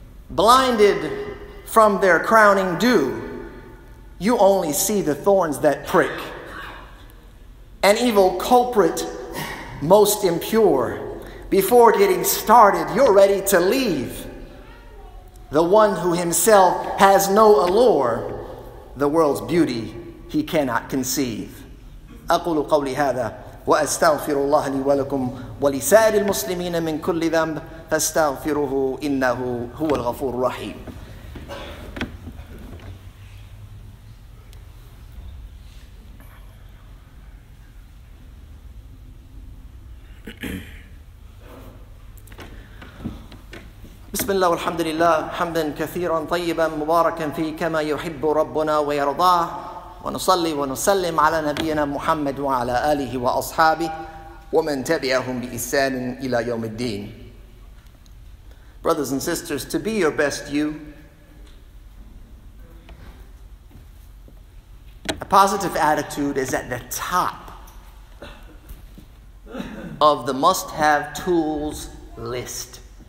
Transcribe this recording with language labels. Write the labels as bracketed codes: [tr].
[en] Blinded from their crowning dew, you only see the thorns that prick. An evil culprit, most impure. Before getting started, you're ready to leave. The one who himself has no allure, the world's beauty he cannot conceive. [ar] أقول قولي هذا وأستغفر الله لي ولكم ولسائر المسلمين من كل ذنب فاستغفروه إنه هو الغفور الرحيم. بسم الله والحمد لله حمدا كثيرا طيبا مباركا فيه كما يحب ربنا ويرضاه ونصلي ونسلم على نبينا محمد وعلى آله وأصحابه ومن تبعهم بإحسان إلى يوم الدين. [en] Brothers and sisters, to be your best you, a positive attitude is at the top of the must-have tools list.